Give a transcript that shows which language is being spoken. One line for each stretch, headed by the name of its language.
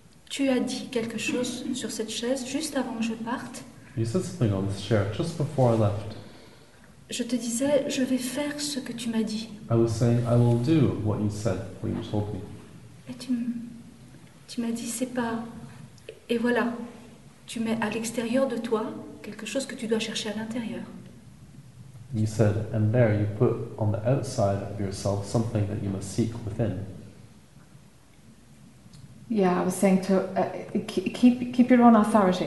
French: Tu as dit quelque chose sur cette chaise juste avant que je parte.
English: You said something on this chair just before I left.
French: Je te disais, je vais faire ce que tu m'as dit.
English: I was saying, I will do what you said, what you told me.
French: Et tu m'as dit, c'est pas... Et voilà, tu mets à l'extérieur de toi quelque chose que tu dois chercher à l'intérieur.
English: You said, and there you put on the outside of yourself something that you must seek within. Yeah, I was saying to keep your own authority.